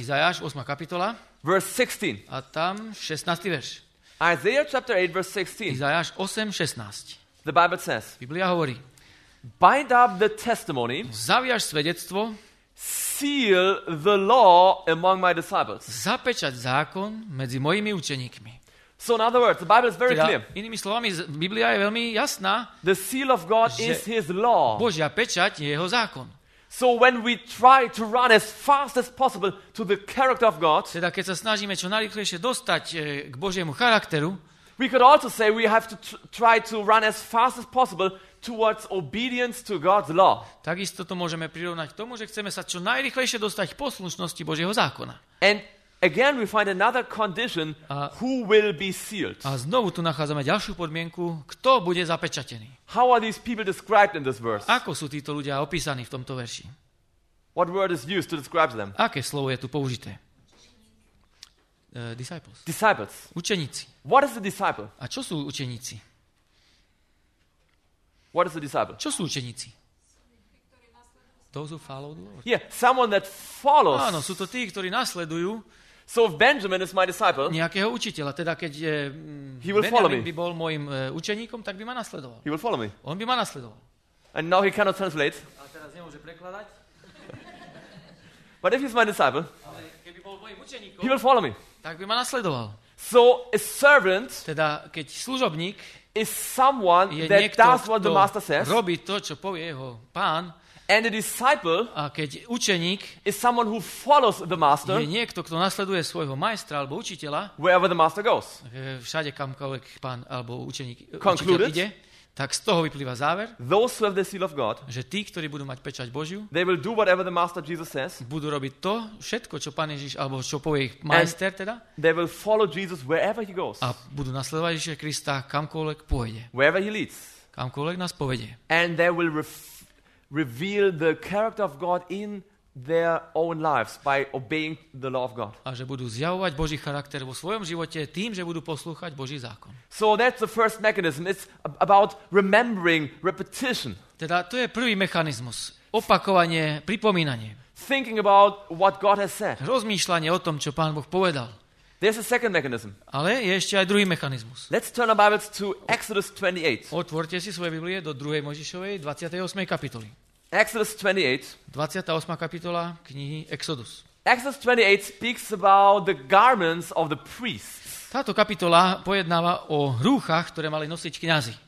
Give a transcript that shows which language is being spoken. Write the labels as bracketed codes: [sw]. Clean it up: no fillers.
[sk] Izajaš 8. kapitola. [en] Verse 16. [sk] A tam 16. verš. [en] Isaiah chapter 8 verse 16. [sk] Izajaš 8:16. [en] The Bible says. [sk] Biblia hovorí. [en] Bind up the testimony. [sk] Zaviaž svedectvo. [en] Seal the law among my disciples. [sk] Zapečať zákon medzi mojimi učeníkmi. [en] So in other words, the Bible is very clear. [sk] Inými slovami, Biblia je veľmi jasná. [en] The seal of God is his law. [sk] Božia pečať je jeho zákon. [en] So when we try to run as fast as possible to the character of God, [sk] teda keď sa snažíme čo najrýchlejšie dostať k Božiemu charakteru, [en] we could also say we have to try to run as fast as possible towards obedience to God's law. [sk] Takisto to môžeme prirovnať k tomu, že chceme sa čo najrýchlejšie dostať k poslušnosti Božieho zákona. [en] And again we find another condition who will be sealed. [sk] A znovu tu nachádzame ďalšiu podmienku, kto bude zapečatený. [en] How are these people described in this verse? [sk] Ako sú títo ľudia opísaní v tomto verši? [en] What word is used to describe them? [sk] Aké slovo je tu použité? Disciples. [en] Disciples. [sk] Učeníci. [en] What is a disciple? [sk] A čo sú učeníci? [en] What is a disciple? [sk] Čo sú učeníci? [en] Those who follow the Lord. Yeah, someone that follows. [sk] Áno, sú to tí, ktorí nasledujú. [en] So if Benjamin is my disciple. [sk] Nejakého učiteľa, teda keď je [en] he will follow me. [sk] By bol môjim učeníkom, tak by ma nasledoval. [en] He will follow me. [sk] On by ma nasledoval. [en] And now he cannot translate. [sk] A teraz nemôže prekladať. [en] But if he's my disciple. [sk] Ale keby bol môjim učeníkom. [en] He will follow me. [sk] Tak by ma nasledoval. [en] So a servant. [sk] Teda keď služobník [en] is someone [sk] je [en] that [sk] niekto, [en] does what the master says. [sk] Robí to, čo povie jeho pán. [en] And a disciple [sk] a keď učeník [en] is someone who follows the master. [sk] Je niekto, kto nasleduje svojho majstra alebo učiteľa. [en] Wherever the master goes. [sk] Všade kamkoľvek pán alebo učeník učiteľ ide, tak z toho vyplýva záver. [en] Those who have the seal of God. [sk] Že tí, ktorí budú mať pečať Božiu. [en] They will do whatever the master Jesus says. [sk] Budú robiť to všetko, čo pán Ježiš alebo čo povie ich majster teda. [en] They will follow Jesus wherever he goes. [sk] A budú nasledovať Ježiša Krista kamkoľvek pôjde. [en] Wherever he leads. [sk] Kamkoľvek nás povedie. [en] And they will reveal the character of God in their own lives by obeying the law of God. [sk] A že budú zjavovať Boží charakter vo svojom živote tým, že budú poslúchať Boží zákon. [en] So that's the first mechanism. It's about remembering, repetition. [sk] Teda to je prvý mechanizmus. Opakovanie, pripomínanie. [en] Thinking about what God has said. [sk] Rozmýšľanie o tom, čo Pán Boh povedal. [en] There's a second mechanism. [sk] Ale je ešte aj druhý mechanizmus. [en] Let's turn our Bibles to Exodus 28. [sk] Otvorte si svoje Biblie do 2. Mojžišovej 28. kapitoly. [en] Exodus 28. [sk] 28. kapitola knihy Exodus. [en] Exodus 28 speaks about the garments of the priests. [sk] Táto kapitola pojednáva o rúchach, ktoré mali nosiť kňazi.